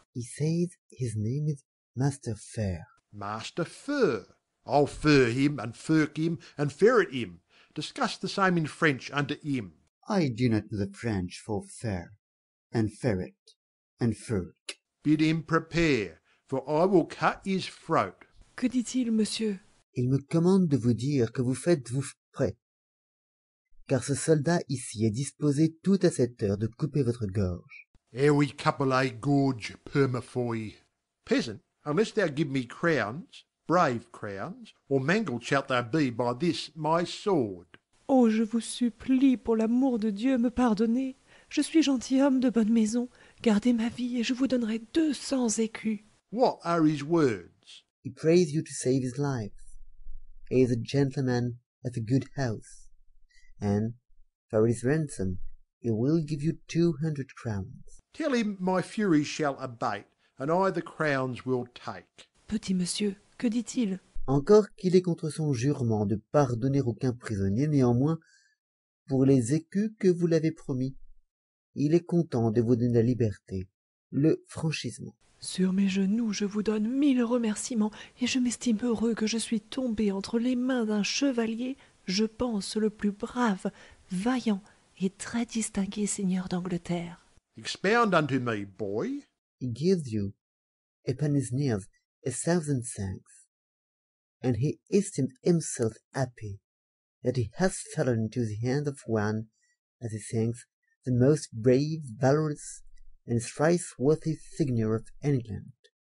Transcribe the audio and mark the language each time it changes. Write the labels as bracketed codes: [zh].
[en] He says his name is Master Fer. Master Fer. I'll fur him, and furk him, and ferret him. Discuss the same in French unto him. I do not know the French for fur, and ferret, and furk. Bid him prepare, for I will cut his throat. [fr] Que dit-il, monsieur? Il me commande de vous dire que vous faites-vous prêt, car ce soldat ici est disposé tout à cette heure de couper votre gorge. [en] Here we couple a gorge, permafoy. Peasant, unless thou give me crowns, brave crowns, or mangled shalt thou be by this my sword. [fr] Oh, je vous supplie, pour l'amour de Dieu, me pardonner. Je suis gentilhomme de bonne maison. Gardez ma vie, et je vous donnerai 200 écus. [en] What are his words? He prays you to save his life. He is a gentleman of a good house, and for his ransom, he will give you 200 crowns. Tell him my fury shall abate, and I the crowns will take. [fr] Petit monsieur, que dit-il? Encore qu'il est contre son jurement de pardonner aucun prisonnier, néanmoins, pour les écus que vous l'avez promis, il est content de vous donner la liberté, le franchissement. Sur mes genoux, je vous donne 1000 remerciements, et je m'estime heureux que je suis tombé entre les mains d'un chevalier, je pense, le plus brave, vaillant et très distingué seigneur d'Angleterre. [en] Expound unto me, boy. He gives you, upon his knees, 1000 thanks, and he esteems himself happy that he has fallen into the hand of one, as he thinks, the most brave, valorous, and thrice-worthy signor of England.